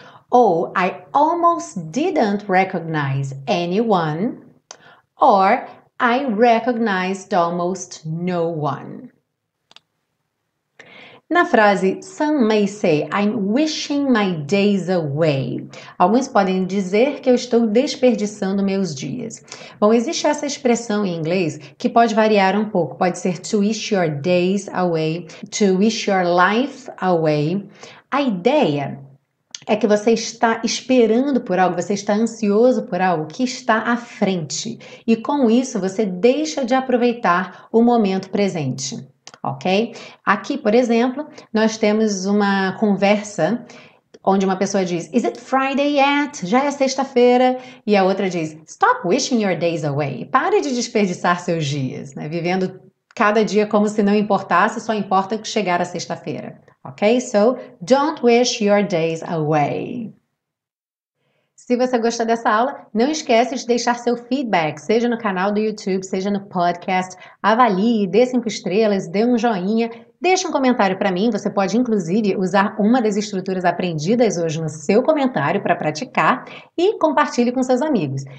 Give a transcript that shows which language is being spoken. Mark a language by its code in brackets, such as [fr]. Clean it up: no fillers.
[en] Ou, I almost didn't recognize anyone. Or, I recognized almost no one. [pt] Na frase, [en] some may say, I'm wishing my days away. [pt] Alguns podem dizer que eu estou desperdiçando meus dias. Bom, existe essa expressão em inglês que pode variar um pouco. Pode ser [en] to wish your days away, to wish your life away. [pt] A ideia é que você está esperando por algo, você está ansioso por algo que está à frente. E com isso, você deixa de aproveitar o momento presente. Ok? Aqui, por exemplo, nós temos uma conversa onde uma pessoa diz, [en] Is it Friday yet? [pt] Já é sexta-feira. E a outra diz, [en] Stop wishing your days away. [pt] Pare de desperdiçar seus dias, né? Vivendo cada dia como se não importasse, só importa chegar à sexta-feira. Ok? [en] So, don't wish your days away. [pt] Se você gostou dessa aula, não esquece de deixar seu feedback, seja no canal do YouTube, seja no podcast. Avalie, dê 5 estrelas, dê um joinha, deixe um comentário para mim. Você pode, inclusive, usar uma das estruturas aprendidas hoje no seu comentário para praticar e compartilhe com seus amigos.